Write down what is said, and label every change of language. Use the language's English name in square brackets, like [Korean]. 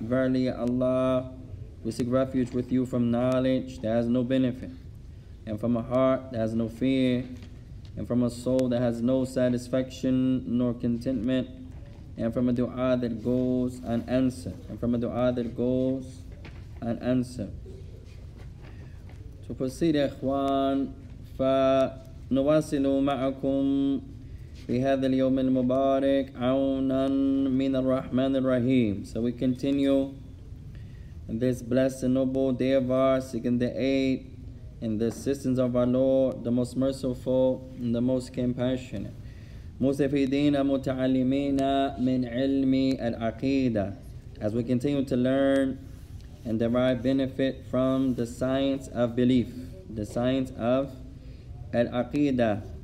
[English] Verily, Allah, we seek refuge with you from knowledge that has no benefit, and from a heart that has no fear, and from a soul that has no satisfaction nor contentment, and from a dua that goes unanswered, and from a dua that goes unanswered. To proceed, [Arabic] ikhwan, فَنُوَاسِلُ مَعَكُمْ بهذا اليوم المبارك عونا من الرحمن الرحيم. [English] So we continue in this blessed and noble day of ours, seeking the aid and the assistance of our Lord, the most merciful and the most compassionate. [Arabic] مستفيدين متعلمين من علم العقيدة. [English] As we continue to learn and derive benefit from the science of belief, the science of العقيدة.